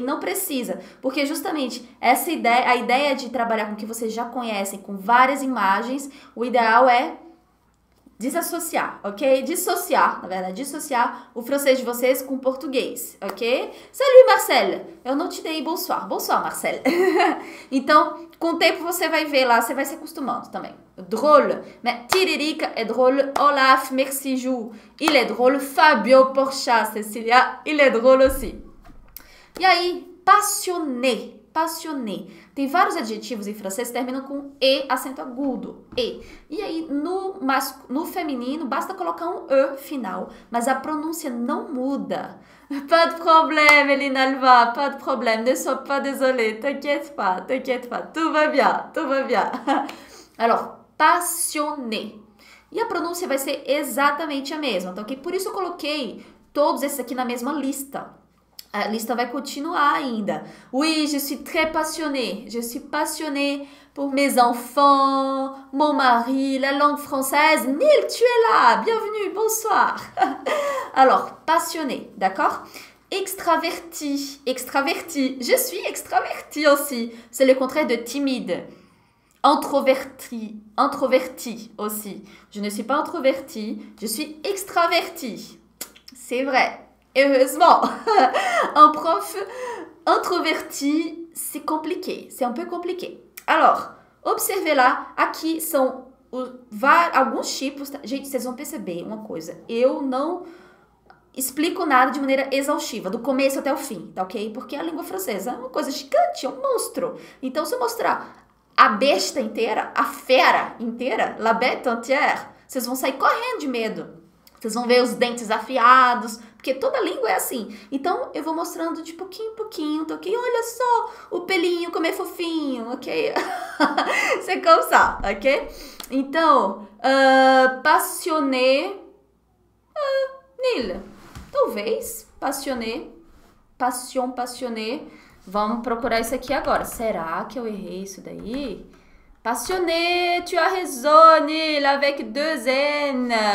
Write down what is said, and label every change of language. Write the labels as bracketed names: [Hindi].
[Portuguese] Não precisa, porque justamente essa ideia, a ideia de trabalhar com o que vocês já conhecem, com várias imagens, o ideal é desassociar, ok? Dissociar, na verdade, dissociar o francês de vocês com o português, ok? [French] Salut, Marcel! [Portuguese] Eu não te dei bonsoir. [French] Bonsoir, Marcel. [Portuguese] Então, com o tempo você vai ver lá, você vai se acostumando também. [French] Drôle, mais tiririca é drôle. Olaf, merci, Ju. Il est drôle. Fabio Porchat, Cecilia, il est drôle aussi. [Portuguese] E aí, [French] passionné, passionné. [Portuguese] Tem vários adjetivos em francês que terminam com e, acento agudo, e. E aí, no feminino, basta colocar um e final, mas a pronúncia não muda. [French] Pas de problème, Elinalva, pas de problème, ne sois pas désolée, t'inquiète pas, tout va bien, tout va bien. Alors, passionné. [Portuguese] E a pronúncia vai ser exatamente a mesma, tá ok? Por isso eu coloquei todos esses aqui na mesma lista. A lista vai continuar ainda. [French] Oui, je suis très passionnée. Je suis passionnée pour mes enfants, mon mari, la langue française. Nil, tu es là. Bienvenue, bonsoir. Alors, passionnée, d'accord? Extravertie, extravertie. Je suis extravertie aussi. C'est le contraire de timide. Introvertie, introvertie aussi. Je ne suis pas introvertie, je suis extravertie. C'est vrai. Heureusement, un prof introverti, c'est compliqué, c'est un peu compliqué. Alors, observez là, [Portuguese] aqui são alguns tipos. Gente, vocês vão perceber uma coisa: eu não explico nada de maneira exaustiva, do começo até o fim, tá ok? Porque a língua francesa é uma coisa gigante, é um monstro. Então, se eu mostrar a besta inteira, a fera inteira, [French] la bête entière, [Portuguese] vocês vão sair correndo de medo. Vocês vão ver os dentes afiados, porque toda língua é assim. Então, eu vou mostrando de pouquinho em pouquinho, tá ok? Olha só o pelinho, como é fofinho, ok? [French] C'est comme ça, ok? [Portuguese] Então, [French] passionné. Nil, talvez, passionné. Passion, passionné. [Portuguese] Vamos procurar isso aqui agora. Será que eu errei isso daí? [French] Passionné, tu as raison, Nil, avec deux N.